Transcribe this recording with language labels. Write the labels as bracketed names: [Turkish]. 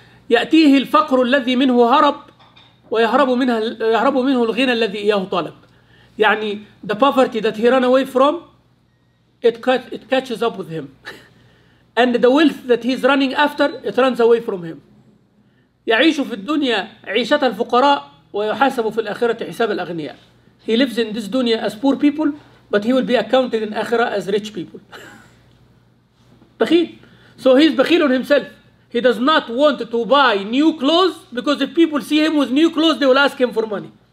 [Arabic] يأتيه الفقر الذي منه هرب ويهرب منها يهرب منه الغنى الذي إياه طلب. [English] يعني the poverty that he ran away from, it catches up with him. And the wealth that he's running after, it runs away from him. [Arabic] يعيش في الدنيا عيشة الفقراء ويحاسب في الآخرة حساب الأغنياء. [English] He lives in this dunya as poor people, but he will be accounted in akhirah as rich people. بخيل. So he's بخيل on himself. He does not want to buy new clothes because if people see him with new clothes, they will ask him for money.